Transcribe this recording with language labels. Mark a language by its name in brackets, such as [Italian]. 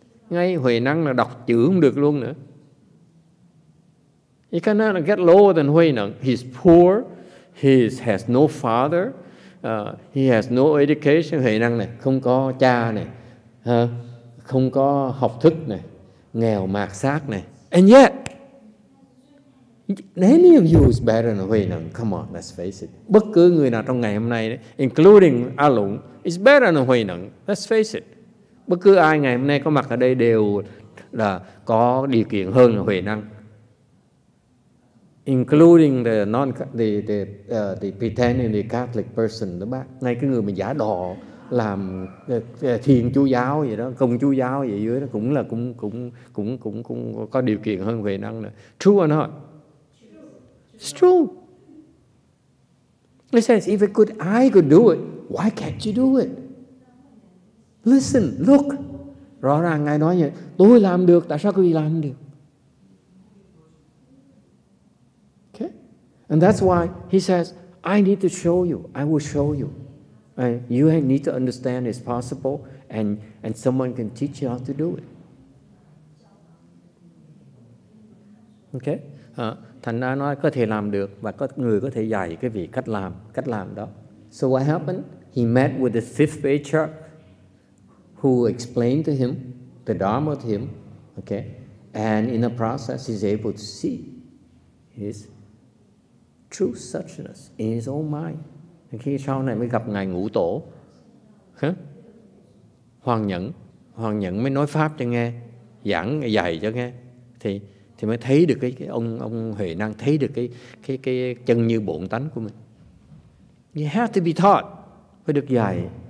[Vietnamese] Ngay Huệ Năng là đọc chữ không được luôn nữa. [English] He cannot get lower than Huệ Năng. He's poor. He has no father. He has no education. [Vietnamese] Huệ Năng này, không có cha này. Không có học thức này. Nghèo mạt xác này. [English] And yet, any of you is better than Huệ Năng. Come on, let's face it. [Vietnamese] Bất cứ người nào trong ngày hôm nay, [English] including [Vietnamese] A Lũng, [English] is better than [Vietnamese] Huệ Năng. [English] Let's face it. [Vietnamese] Bất cứ ai ngày hôm nay có mặt ở đây đều là có điều kiện hơn là Huệ Năng. [English] including the non the pretending the Catholic person [Vietnamese] đó bác, ngay cái người mà giả đò làm thiền chú giáo vậy đó, công chú giáo vậy dưới đó cũng là cũng có điều kiện hơn Huệ Năng nữa. [English] True or not? It's true. He says, if I could do it, why can't you do it? Listen, look. [Vietnamese] Rõ ràng Ngài nói vậy, tôi làm được, tại sao quý vị làm được? [English] Okay? And that's why he says, I need to show you, I will show you. You need to understand it's possible and someone can teach you how to do it. Okay? [Vietnamese] Thành ra nói có thể làm được và có người có thể dạy cái việc cách làm đó. [English] So what happened? He met with the fifth patriarch who explained to him the Dharma to him, okay? And in the process, he's able to see his true suchness in his own mind. [Vietnamese] And khi sau này mới gặp Ngài Ngũ Tổ, Hoàng Nhẫn mới nói pháp cho nghe, giảng dạy cho nghe, thì mới thấy được cái ông Huệ Năng thấy được cái chân như bổn tánh của mình. [English] You have to be taught, [Vietnamese] phải được dạy.